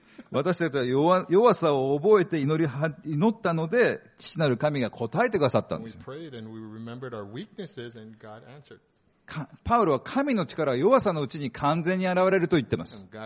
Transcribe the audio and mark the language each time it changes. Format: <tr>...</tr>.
<ja>私たちは弱さを覚えて祈ったので、父なる神が答えてくださったんです。</ja> <en>We prayed and we remembered our weaknesses and God answered.</en> <ja>パウロは神の力は弱さのうちに完全に現れると言ってます。</ja>